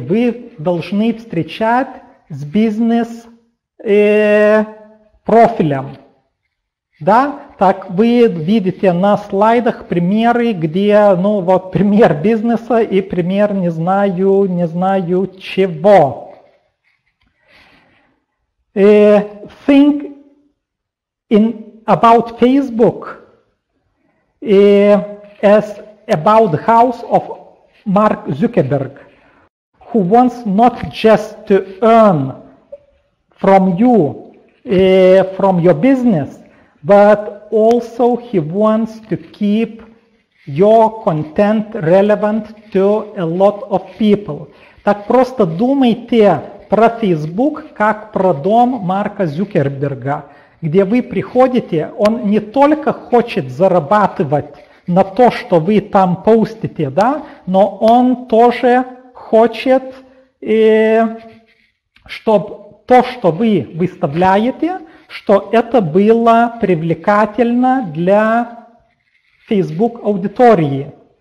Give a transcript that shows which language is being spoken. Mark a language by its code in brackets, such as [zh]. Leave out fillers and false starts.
[ru] Вы должны встречать с бизнес-профилем. Да? Так вы видите на слайдах примеры, где, ну, вот пример бизнеса и пример не знаю чего. [en] Think in about Facebook as about the house of Mark Zuckerberg, who wants not just to earn from you, from your business, but also he wants to keep your content relevant to a lot of people. [ru] Так просто думайте про Facebook как про дом Марка Зюкерберга, где вы приходите, он не только хочет зарабатывать на то, что вы там постите, да, но он тоже хочет, чтобы то, что вы выставляете, что это было привлекательно для Facebook аудитории.